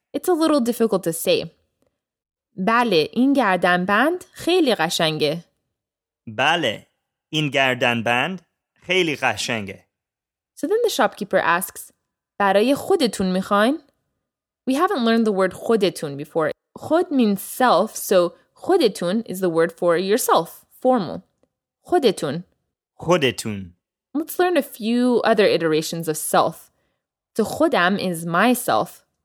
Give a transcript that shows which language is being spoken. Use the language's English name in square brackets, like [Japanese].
[English] It's a little difficult to say. [Persian] بله این گردن بند خیلی قشنگه. بله این گردن بند خیلی قشنگه. [English] So then the shopkeeper asks, [Persian] برای خودتون میخواین؟ [English] We haven't learned the word خودتون before. خود means self, so خودتون is the word for yourself, formal. [Persian] خودتون. خودتون. [English] Let's learn a few other iterations of self. So خودم is myself.